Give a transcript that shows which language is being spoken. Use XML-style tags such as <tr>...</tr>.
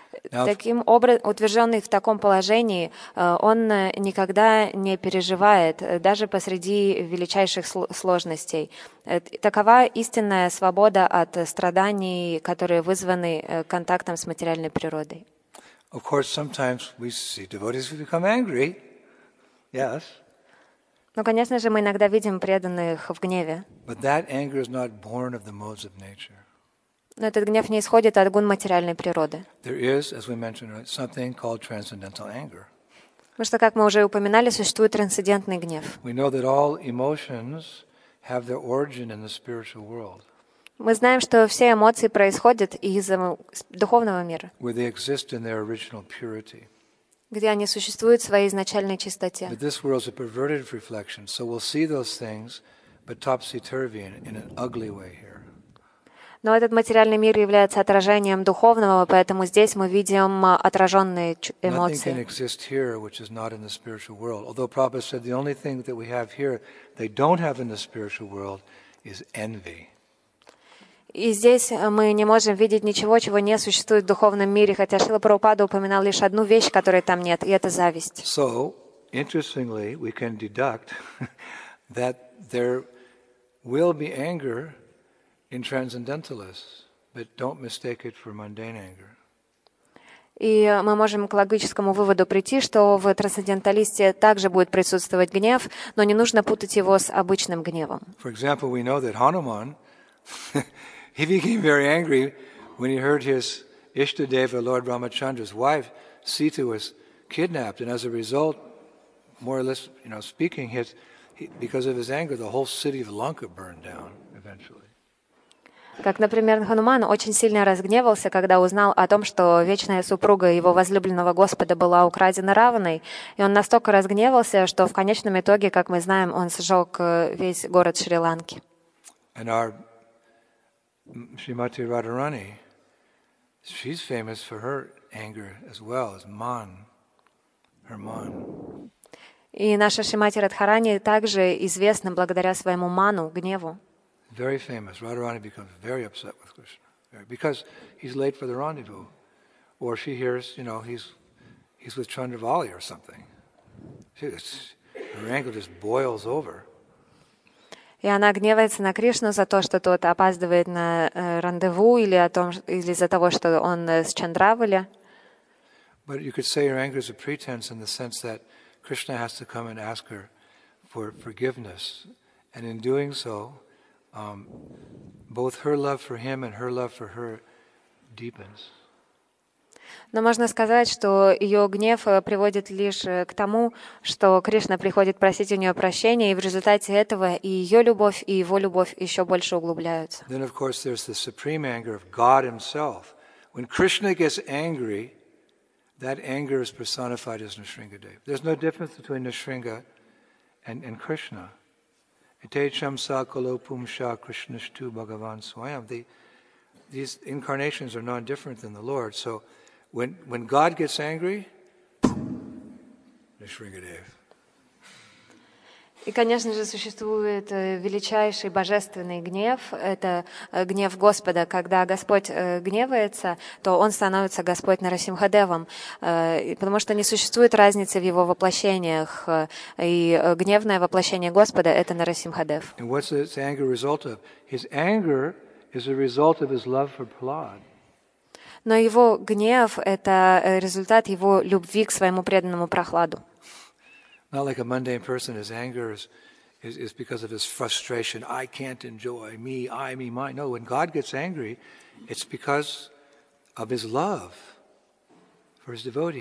<ru>Таким образом, утвержденный в таком положении, он никогда не переживает, даже посреди величайших сложностей. Такова истинная свобода от страданий, которые вызваны контактом с материальной природой.</ru> <en>Of course, sometimes we see devotees who become angry. Yes.</en> <ru>Но, конечно же, мы иногда видим преданных в гневе.</ru> <en>But that anger is not born of the modes of nature.</en> <ru>Но этот гнев не исходит от гун материальной природы.</ru> <en>There is, as we mentioned, something called transcendental anger.</en> <ru>Потому что, как мы уже упоминали, существует трансцендентный гнев.</ru> <en>We know that all emotions have their origin in the spiritual world.</en> <ru>Мы знаем, что все эмоции происходят из духовного мира.</ru> <en>Where they exist in their original purity.</en> <ru>Где они существуют в своей изначальной чистоте.</ru> <en>But this world is a perverted reflection, so we'll see those things, but topsy-turvy in an ugly way here.</en> <ru>Но этот материальный мир является отражением духовного, поэтому здесь мы видим отраженные эмоции.</ru> <en>Nothing can exist here which is not in the spiritual world. Although Prabhupada said the only thing that we have here they don't have in the spiritual world is envy.</en> <ru>И здесь мы не можем видеть ничего, чего не существует в духовном мире, хотя Шрила Прабхупада упоминал лишь одну вещь, которой там нет, и это зависть.</ru> <en>So, interestingly, we can deduct that there will be anger in transcendentalists, but don't mistake it for mundane anger.</en> <ru>И мы можем к логическому выводу прийти, что в трансценденталисте также будет присутствовать гнев, но не нужно путать его с обычным гневом.</ru> <en>For example, we know that Hanuman he became very angry when he heard his Ishtadeva, Lord Ramachandra's wife, Sita, was kidnapped, and as a result, more or less, you know, speaking, his, because of his anger, the whole city of Lanka burned down eventually.</en> <ru>Как, например, Хануман очень сильно разгневался, когда узнал о том, что вечная супруга его возлюбленного Господа была украдена Раваной, и он настолько разгневался, что в конечном итоге, как мы знаем, он сжег весь город Шри-Ланки.</ru> <en>And our Srimati Radharani, she's famous for her anger as well, as man, her man.</en> <ru>И наша Шримати Радхарани также известна благодаря своему ману, гневу.</ru> <en>Very famous. Radharani becomes very upset with Krishna because he's late for the rendezvous, or she hears, you know, he's with Chandravali or something. Her anger just boils over.</en> <ru>И она гневается на Кришну за то, что тот опаздывает на рандеву или о том, или за того, что он с Чандравали.</ru> <en>But you could say her anger is a pretense in the sense that Krishna has to come and ask her for forgiveness, and in doing so. Both her love for him and her love for her deepens.</en> <ru>Но можно сказать, что ее гнев приводит лишь к тому, что Кришна приходит просить у нее прощения, и в результате этого и ее любовь, и его любовь еще больше углубляются.</ru> <en>Then, of course, there's the supreme anger of God Himself. When Krishna gets angry, that anger is personified as Nrisingadeva. There's no difference between Nrisinga and Krishna.</en> <sa>Etecham sa kalopum sha krishnashtu bhagavan swayam.</sa> <en>These incarnations are not different than the Lord. So when God gets angry, Nrisingadeva.</en> <ru>И, конечно же, существует величайший божественный гнев. Это гнев Господа. Когда Господь гневается, то Он становится Господь Нарасимхадевом. Потому что не существует разницы в Его воплощениях. И гневное воплощение Господа — это Нарасимхадев. И что это за гнев? Его гнев — это результат его любви к своему преданному. Но его гнев — это результат его любви к своему преданному Прохладу.</ru> <en>Not like a mundane person, his anger is because of his frustration. I can't enjoy me, mine. No, when God gets angry, it's because of his love for his devotee.</en>